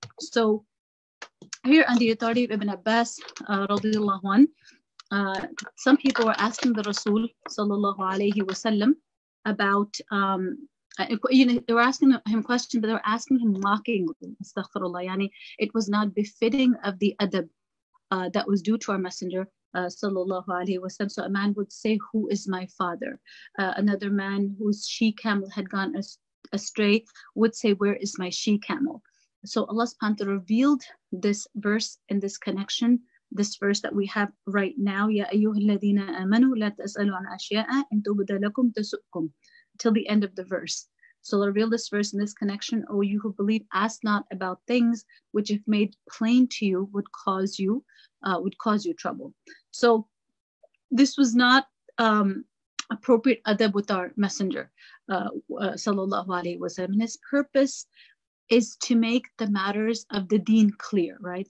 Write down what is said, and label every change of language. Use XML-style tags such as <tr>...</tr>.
<en>So here on the authority of Ibn Abbas, radiallahu anhu, some people were asking the Rasul, sallallahu alayhi wa sallam, about, they were asking him questions, but they were asking him mockingly, astaghfirullah, yani it was not befitting of the adab that was due to our messenger, sallallahu alayhi wa sallam. So a man would say, who is my father? Another man whose she camel had gone astray would say, where is my she camel? So Allah subhanahu wa ta'ala revealed this verse in this connection, this verse that we have right now.</en> <ar>يَا أَيُّهَا الَّذِينَ آمَنُوا لَا تَسْأَلُوا عَنْ أَشْيَاءَ إِنْ تُبْدَ لَكُمْ تَسُؤْكُمْ</ar> <en>till the end of the verse. So Allah revealed this verse in this connection. O you who believe, ask not about things which if made plain to you would cause you trouble. So this was not appropriate adab with our messenger, sallallahu alayhi wa sallam. And his purpose is to make the matters of the deen clear, right?</en>